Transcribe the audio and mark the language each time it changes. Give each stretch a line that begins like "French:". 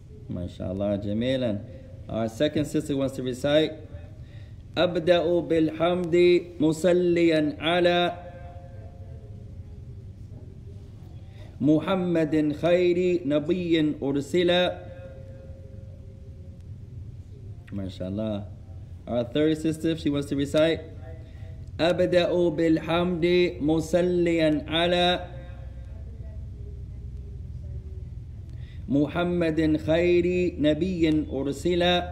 Arabic: ما شاء الله جميلا.
English: Our second sister wants to recite.
Arabic: أبدأ بالحمد مصليا على محمد خير نبي أرسل. ما شاء الله.
English: Our third sister, if she wants to recite.
Arabic: أبدأ بالحمد مصليا على محمد خير نبي أرسل.